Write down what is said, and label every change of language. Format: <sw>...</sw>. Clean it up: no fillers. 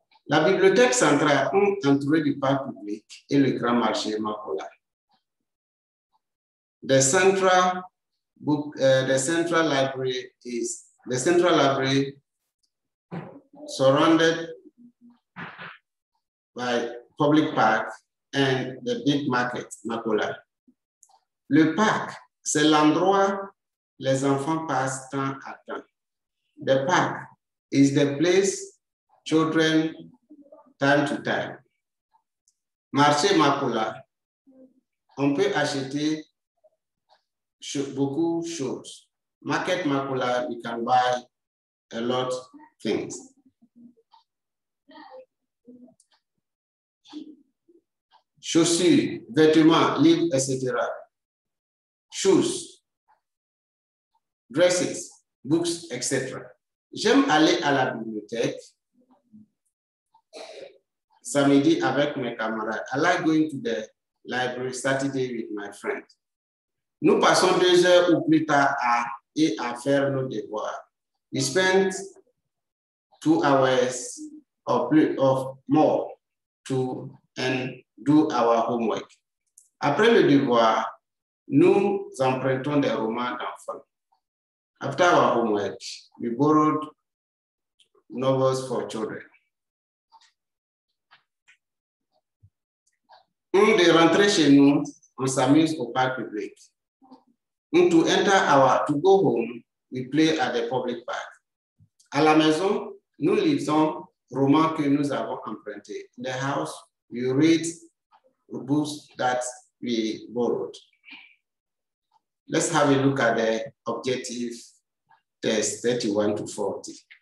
<fr>La bibliothèque centrale entourée du parc public et le grand marché Makola.</fr> <en>The central library surrounded by public park and the big market Makola.</en> <fr>Le parc, c'est l'endroit les enfants passent temps à temps.</fr> <en>The park is the place children time to time.</en> <fr>Marché Makola, on peut acheter beaucoup de choses.</fr> <en>Market Makola, we can buy a lot of things.</en> <fr>Chaussures, vêtements, livres, etc.</fr> <en>Shoes, dresses, books, etc.</en> <fr>J'aime aller à la bibliothèque samedi avec mes camarades.</fr> <en>I like going to the library Saturday with my friends.</en> <fr>Nous passons 2 heures ou plus tard à faire nos devoirs.</fr> <en>We spent 2 hours or plus of more to and do our homework.</en> <fr>Après le devoir, nous empruntons des romans d'enfants.</fr> <en>After our homework, we borrowed novels for children.</en> <fr>On est rentré chez nous, on s'amuse au parc public.</fr> <en>To enter our to go home, we play at the public park.</en> <fr>À la maison, nous lisons romans que nous avons empruntés.</fr> <en>In the house, we read books that we borrowed. Let's have a look at the objective test 31 to 40.</en>